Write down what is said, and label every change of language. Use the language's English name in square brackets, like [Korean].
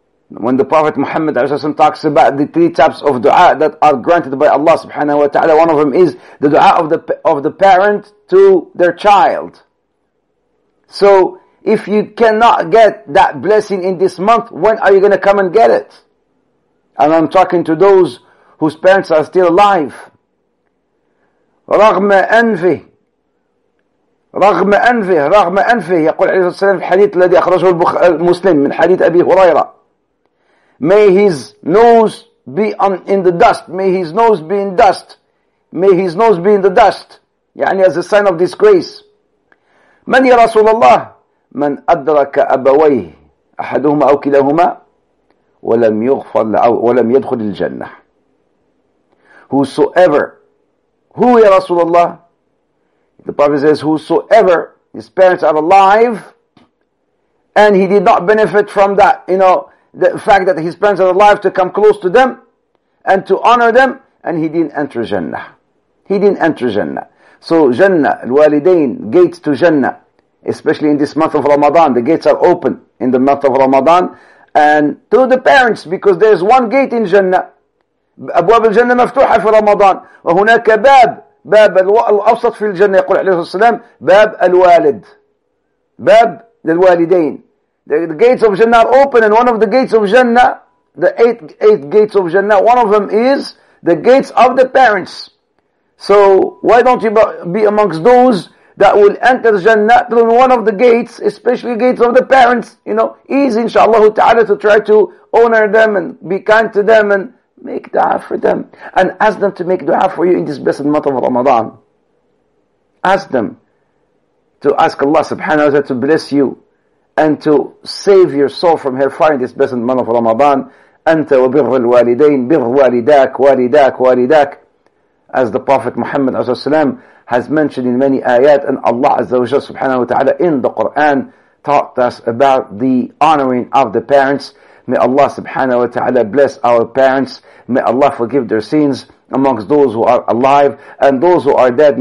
[English] When the Prophet Muhammad talks about the three types of dua that are granted by Allah subhanahu wa ta'ala, one of them is the dua of the parent to their child. So if you cannot get that blessing in this month, when are you going to come and get it? And I'm talking to those whose parents are still alive. [Arabic] رغم أنفه رغم أنفه رغم أنفه يقول عليه الصلاة والسلام في الحديث الذي أخرجه المسلم من حديث أبي هريرة: [English] may his nose be in the dust. May his nose be in dust. May his nose be in the dust. يعني as a sign of disgrace. [Arabic] من يا رسول الله من أدرك أبويه أحدهما أو كلاهما ولم يغفر أو ولم يدخل الجنة. [English] Whosoever, who [Arabic] يا رسول الله, [English] the Prophet says, whosoever his parents are alive and he did not benefit from that, you know, the fact that his parents are alive, to come close to them and to honor them, and he didn't enter Jannah. He didn't enter Jannah. So Jannah, الوالدين, gates to Jannah, especially in this month of Ramadan, the gates are open in the month of Ramadan, and to the parents, because there is one gate in Jannah. [Arabic] أبواب الجنة مفتوحة في رمضان وهناك باب باب الأوسط في الجنة يقول عليه الصلاة والسلام باب الوالد باب الوالدين. [English] The gates of Jannah are open, and one of the gates of Jannah, the eight gates of Jannah, one of them is the gates of the parents. So why don't you be amongst those that will enter Jannah through one of the gates, especially gates of the parents. You know, easy, inshallah ta'ala, to try to honor them and be kind to them and make dua for them. And ask them to make dua for you in this blessed month of Ramadan. Ask them to ask Allah subhanahu wa ta'ala to bless you and to save your soul from hellfire in this blessed month of Ramadan. [Arabic] أنت وبر الوالدين بر والداك والداك والداك. [English] As the Prophet Muhammad as-salam has mentioned in many ayat, and Allah Azza wa Jalla subhanahu wa ta'ala in the Quran taught us about the honoring of the parents. May Allah subhanahu wa ta'ala bless our parents. May Allah forgive their sins amongst those who are alive and those who are dead.